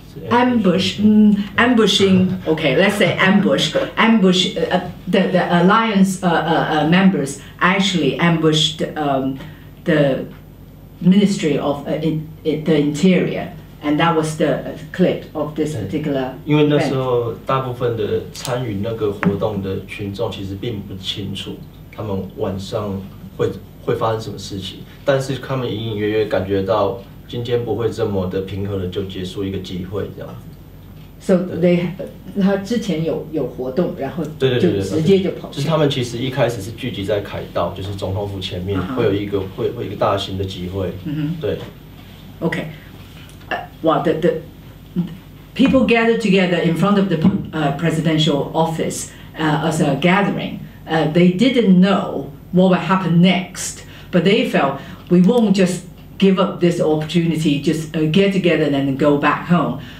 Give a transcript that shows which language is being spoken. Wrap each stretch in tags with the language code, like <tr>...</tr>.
<en>Ambush, ambushing. Okay, let's say ambush. Ambush the alliance members actually ambushed the Ministry of the Interior, and that was the clip of this particular.</en> <zh>因为那时候大部分的参与那个活动的群众其实并不清楚他们晚上会发生什么事情，但是他们隐隐约约感觉到。今天不会这么的平和的就结束一个集会这样。</zh> <en>So they</en> <zh>他之前有活动，然后对对对对，直接就跑去。就是他们其实一开始是聚集在凯道，就是总统府前面、uh-huh. 会有一个大型的集会。 Uh-huh. 对。 Okay.</zh> <en>Well, the people gathered together in front of the presidential office as a gathering. They didn't know what would happen next, but they felt we won't just give up this opportunity, just get together and go back home.</en>